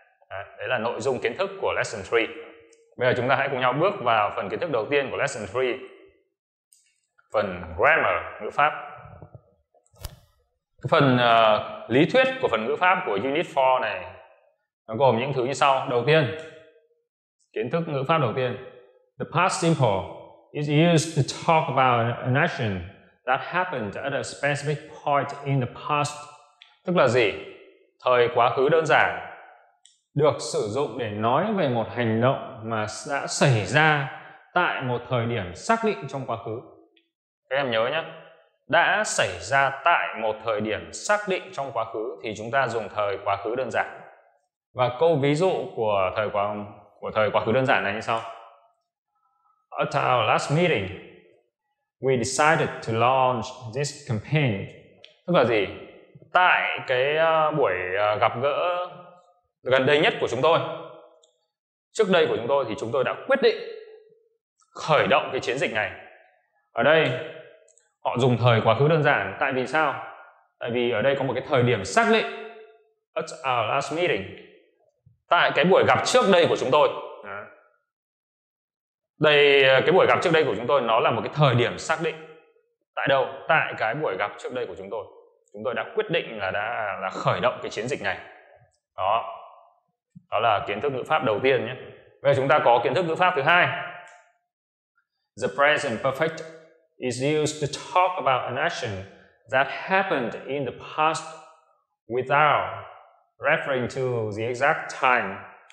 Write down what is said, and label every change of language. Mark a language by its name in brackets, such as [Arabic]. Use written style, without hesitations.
[Vietnamese] Đấy là nội dung kiến thức của Lesson 3. Bây giờ chúng ta hãy cùng nhau bước vào phần kiến thức đầu tiên của Lesson 3. Phần grammar, ngữ pháp. Phần lý thuyết của phần ngữ pháp của Unit 4 này nó gồm những thứ như sau. Đầu tiên, kiến thức ngữ pháp đầu tiên. [English] The past simple is used to talk about an action that happened at a specific point in the past. [Vietnamese] Tức là gì? Thời quá khứ đơn giản được sử dụng để nói về một hành động mà đã xảy ra tại một thời điểm xác định trong quá khứ. Các em nhớ nhé, đã xảy ra tại một thời điểm xác định trong quá khứ thì chúng ta dùng thời quá khứ đơn giản. Và câu ví dụ của thời quá khứ đơn giản này như sau. [English] At our last meeting, we decided to launch this campaign. [Vietnamese] Tức là gì? Tại cái buổi gặp gỡ gần đây nhất của chúng tôi, trước đây của chúng tôi, thì chúng tôi đã quyết định khởi động cái chiến dịch này. Ở đây họ dùng thời quá khứ đơn giản. Tại vì sao? Tại vì ở đây có một cái thời điểm xác định. [English] At our last meeting, [Vietnamese] tại cái buổi gặp trước đây của chúng tôi. Đây, cái buổi gặp trước đây của chúng tôi nó là một cái thời điểm xác định. Tại đâu? Tại cái buổi gặp trước đây của chúng tôi, chúng tôi đã quyết định là khởi động cái chiến dịch này. Đó, đó là kiến thức ngữ pháp đầu tiên nhé. Bây giờ chúng ta có kiến thức ngữ pháp thứ hai. [English] The present perfect is used to talk about an action that happened in the past without referring to the exact time.